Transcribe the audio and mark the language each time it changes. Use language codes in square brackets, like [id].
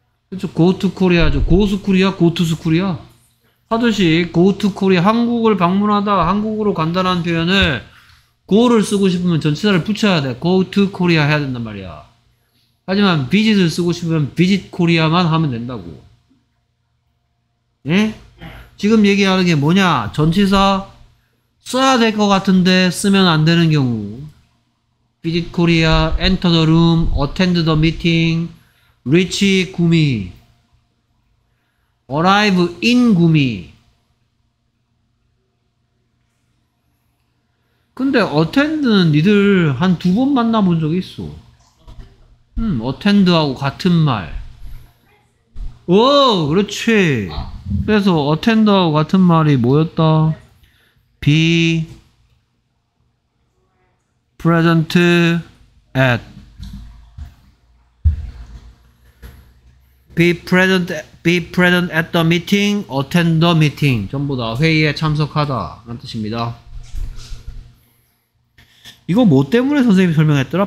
[ko] 그렇죠. [en] go to Korea죠. go to Korea? [ko] go to Korea? 하듯이 go to Korea, 한국을 방문하다, 한국으로 간다라는 표현을 go를 쓰고 싶으면 전치사를 붙여야 돼. [en] go to Korea [ko] 해야 된단 말이야. 하지만 visit을 쓰고 싶으면 [en] visit Korea [ko] 만 하면 된다고. 예? 지금 얘기하는 게 뭐냐? 전치사 써야 될 것 같은데 쓰면 안 되는 경우. [en] visit Korea, enter the room, attend the meeting, reach 구미. arrive in 구미. [ko] 근데 attend는 니들 한 두 번 만나본 적 있어. attend하고 같은 말. 오, 그렇지. 그래서 attend하고 같은 말이 뭐였다? [en] be present at Be present at the meeting, attend the meeting. [ko] 전부 다 회의에 참석하다 라는 뜻입니다. 이거 뭐 때문에 선생님이 설명했더라?